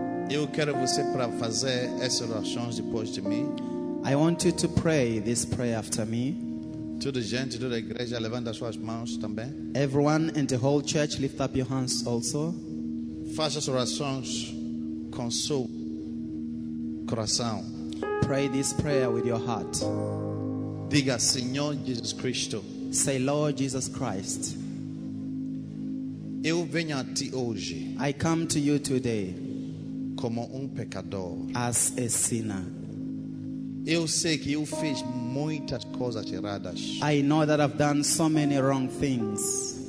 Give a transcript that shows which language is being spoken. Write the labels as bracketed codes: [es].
[pt] Eu quero você para fazer essas orações depois de mim. [en] I want you to pray this prayer after me. [pt] Toda gente, toda igreja, levanta suas mãos também. [en] Everyone in the whole church, lift up your hands also. [pt] Faça as orações com seu coração. [en] Pray this prayer with your heart. [pt] Diga, Senhor Jesus Cristo. [en] Say, Lord Jesus Christ. [pt] Eu venho a ti hoje. [en] I come to you today. [pt] Como pecador. [en] As a sinner. [pt] Eu sei que eu fiz muitas coisas erradas. [en] I know that I've done so many wrong things.